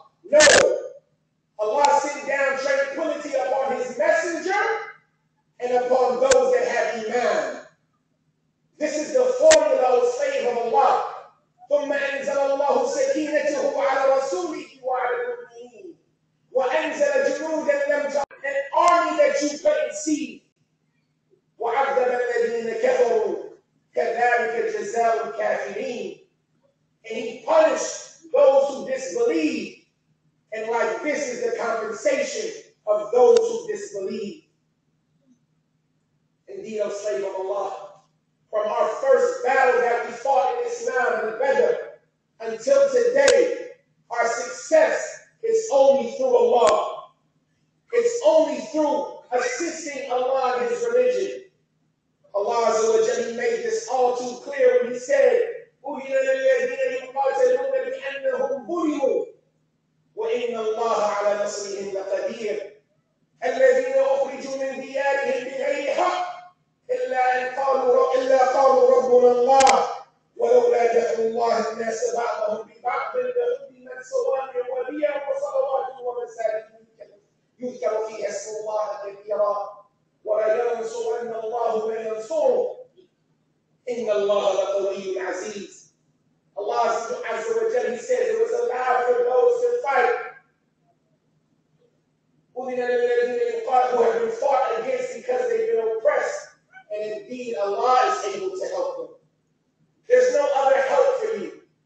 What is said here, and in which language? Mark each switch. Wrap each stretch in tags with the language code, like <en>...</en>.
<en>No. Allah sent down tranquility upon his messenger and upon those that have iman. This is the formula of faith of Allah.</en> <ar>ثُمَّ أَنزَلَ اللَّهُ سَكِينَتَهُ عَلَى رَسُولِهِ وَعَلَى الْمُؤْمِنِينَ وَأَنزَلَ جُنُودًا لَمْ تَرَوْهَا</ar> <en>an army that you couldn't see.</en> <ar>وَعَذَّبَ الَّذِينَ كَفَرُوا كَذَلِكَ جَزَاءُ الْكَافِرِينَ.</ar> <en>And he punished those who disbelieve. And like this is the compensation of those who disbelieve. Indeed, O slave of Allah, from our first battle that we fought in Islam and Badr until today, our success is only through Allah. It's only through assisting Allah in his religion. Allah Azza wa Jalla made this all too clear when he said,</en> <ar>أُذِنَ لِلَّذِينَ يُقَاتَلُونَ بِأَنَّهُمْ ظُلِمُوا وَإِنَّ اللَّهَ عَلَى نَصْرِهِمْ لَقَدِيرٌ الَّذِينَ أُخْرِجُوا مِنْ دِيَارِهِمْ بِغَيْرِ حَقٍّ إِلَّا أَنْ قَالُوا رَبُّنَا اللَّهُ وَلَوْلَا دَفْعُ اللَّهِ النَّاسَ بَعْضَهُمْ بِبَعْضٍ لَهُدِّمَتْ صَوَامِعُ وَبِيَعٌ وَصَلَوَاتٌ وَمَسَاجِدُ يُذْكَرُ فِيهَا اسْمُ اللَّهِ كَثِيرًا وَلَيَنْصُرَنَّ اللَّهُ مَنْ يَنْصُرُهُ إِنَّ اللَّهَ لَقَوِيٌّ عَزِيزٌ.</ar> <en>Allah Azza wa Jalla, he says, it was allowed for those to fight.</en> <ar>أُذِنَ لِلَّذِينَ يُقَاتَلُونَ</ar> <en>who have been fought against because they've been oppressed. And indeed, Allah is able to help them. There's no other help for you.</en>